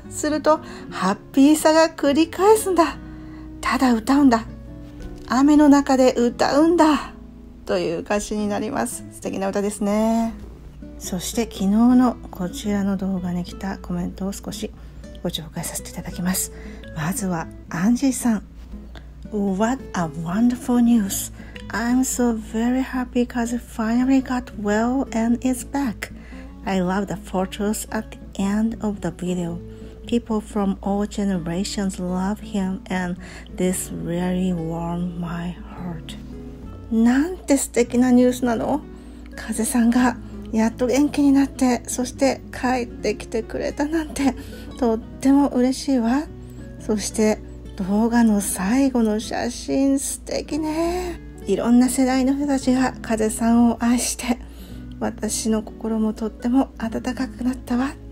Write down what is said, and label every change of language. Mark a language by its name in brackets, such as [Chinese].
[Japanese] するとハッピーさが繰り返すんだ。ただ歌うんだ。雨の中で歌うんだ。という歌詞になります。素敵な歌ですね。そして昨日のこちらの動画に来たコメントを少しご紹介させていただきます。まずはアンジーさん。 [English] What a wonderful news. I'm so very happy because finally got well and is back. I love the photos at the end of the video. People from all generations love him and this really warmed my heart. [Japanese] なんて素敵なニュースなの。風さんがやっと元気になってそして帰ってきてくれたなんてとっても嬉しいわ。そして動画の最後の写真素敵ね。いろんな世代の人たちが風さんを愛して私の心もとっても温かくなったわ。